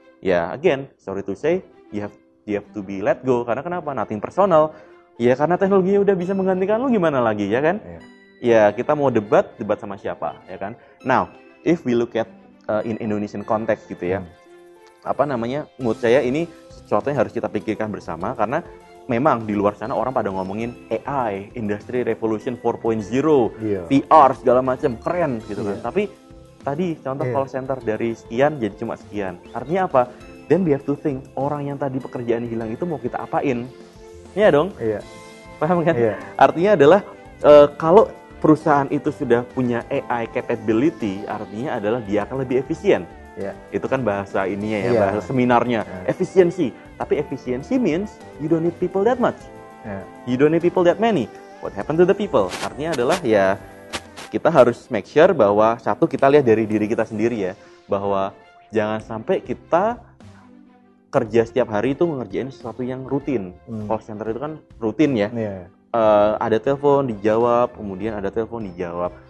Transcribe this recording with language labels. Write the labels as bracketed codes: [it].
[en] Ya, again, sorry to say, you have to be let go. [id] Karena kenapa? [en] Nothing personal. [id] Ya, karena teknologinya udah bisa menggantikan lu, gimana lagi, ya kan? Yeah. Ya, kita mau debat sama siapa, ya kan? [en] Now, if we look at in Indonesian context [id] gitu ya, apa namanya, menurut saya ini sesuatu yang harus kita pikirkan bersama, karena memang di luar sana orang pada ngomongin AI, Industry Revolution 4.0, VR, segala macam, keren gitu kan. Tapi tadi contoh call center dari sekian jadi cuma sekian. Artinya apa? [en] Then we have to think, [id] orang yang tadi pekerjaan hilang itu mau kita apain? Iya dong? Iya. Paham kan? Iya. Artinya adalah kalau perusahaan itu sudah punya AI capability, artinya adalah dia akan lebih efisien. Iya. Itu kan bahasa ininya ya, bahasa seminarnya. Iya. Efisiensi. Tapi efisiensi [en] means you don't need people that much. [id] Iya. [en] You don't need people that many. what happened to the people? [id] Artinya adalah ya kita harus [en] make sure [id] bahwa satu kita lihat dari diri kita sendiri ya, bahwa jangan sampai kita kerja setiap hari itu mengerjain sesuatu yang rutin. Call center itu kan rutin ya. Ada telepon dijawab, kemudian ada telepon dijawab.